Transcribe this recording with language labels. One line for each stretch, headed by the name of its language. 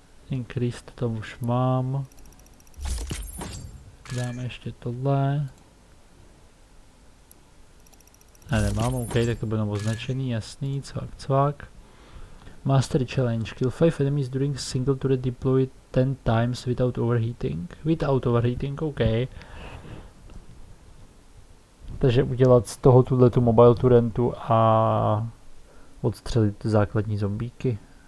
Czech: Increased to už mám. Dáme ještě tohle. Ne, nemám, ok, tak to bylo označený, jasný, cvak, cvak.
English: Mastery challenge, kill 5 enemies during single turret deploy 10 times without overheating. Without overheating, ok.
Czech: Takže udělat z toho tuhle tu mobile turrentu a odstřelit základní zombíky.